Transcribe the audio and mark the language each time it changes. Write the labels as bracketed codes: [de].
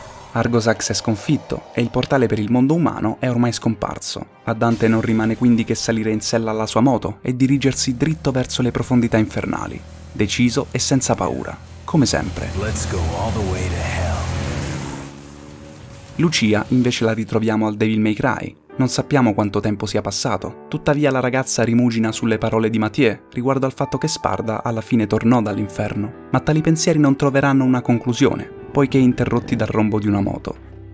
[it] Argosax è sconfitto e il portale per il mondo umano è ormai scomparso. A Dante non rimane quindi che salire in sella alla sua moto e dirigersi dritto verso le profondità infernali, deciso e senza paura, come sempre. [en] Let's go all the way to hell. [it] Lucia invece la ritroviamo al Devil May Cry. Non sappiamo quanto tempo sia passato, tuttavia la ragazza rimugina sulle parole di Matie riguardo al fatto che Sparda alla fine tornò dall'inferno, ma tali pensieri non troveranno una conclusione, poiché interrotti dal rombo di una moto.